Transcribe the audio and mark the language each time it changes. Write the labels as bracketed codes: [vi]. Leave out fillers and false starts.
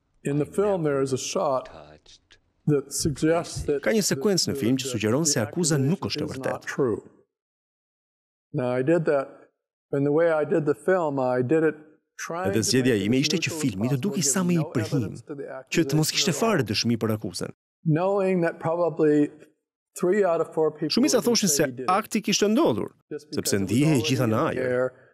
[en] In the film there is a shot that suggests that [sq] ka një sekuencë në film që sugjeron se akuza nuk është e vërtetë. [en] Now I did that and the way I did the film I did it trying [sq] to zgjedhja ime ishte që filmi të dukej sa më i prehim, që të mos kishte fare dëshmi për akuzën. [en] Knowing that probably 3 out of 4 people [sq] shumica thoshin se akti kishte ndodhur, sepse ndihej gjitha në ajër.